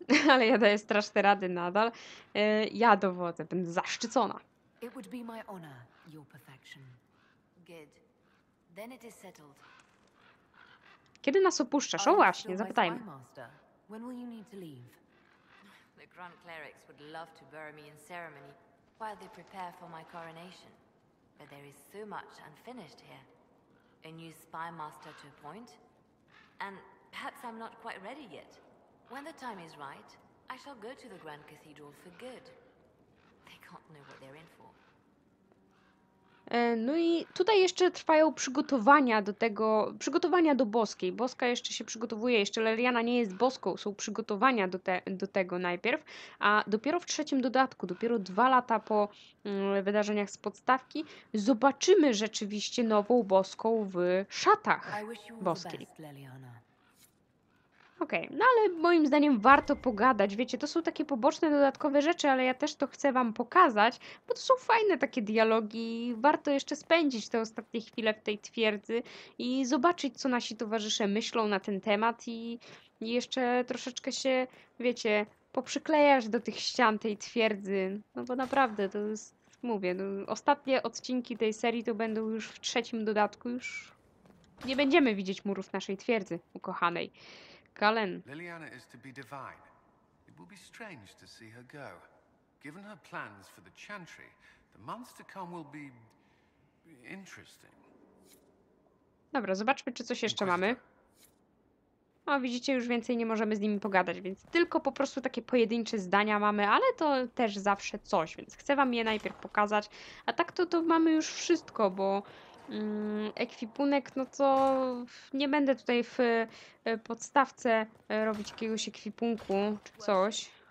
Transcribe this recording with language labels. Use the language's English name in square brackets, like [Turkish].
[Polish] Ale ja daję straszne rady nadal. Ja dowodzę, będę zaszczycona. [English] It would be my honor, your perfection. Good. Then it is settled. [Polish] Kiedy nas opuszczasz? O właśnie, zapytajmy. [English] When will you need to leave? The Grand Clerics would love to bury me in ceremony while they prepare for my coronation. But there is so much unfinished here. A new spy master to appoint? And perhaps I'm not quite ready yet. When the time is right, I shall go to the Grand Cathedral for good. They can't know what they're in for. [Polish] No i tutaj jeszcze trwają przygotowania do tego, przygotowania do boskiej. Boska jeszcze się przygotowuje, jeszcze Leliana nie jest boską, są przygotowania do tego najpierw. A dopiero w trzecim dodatku, dopiero 2 lata po wydarzeniach z podstawki, zobaczymy rzeczywiście nową boską w szatach boskiej. Okej, okay, no ale moim zdaniem warto pogadać, wiecie, to są takie poboczne, dodatkowe rzeczy, ale ja też to chcę wam pokazać, bo to są fajne takie dialogi, warto jeszcze spędzić te ostatnie chwile w tej twierdzy i zobaczyć, co nasi towarzysze myślą na ten temat i jeszcze troszeczkę się, wiecie, poprzyklejać do tych ścian tej twierdzy, no bo naprawdę, to jest, mówię, no, ostatnie odcinki tej serii to będą już w trzecim dodatku, już nie będziemy widzieć murów naszej twierdzy ukochanej. [English] Kalen. Liliana is to be divine. It will be strange to see her go. Given her plans for the Chantry, the months to come will be interesting. [Polish] Dobra, zobaczmy, czy coś jeszcze mamy. O, widzicie, już więcej nie możemy z nimi pogadać, więc tylko po prostu takie pojedyncze zdania mamy, ale to też zawsze coś, więc chcę wam je najpierw pokazać. A tak to mamy już wszystko, bo... ekwipunek, no to nie będę tutaj w podstawce robić jakiegoś ekwipunku czy coś.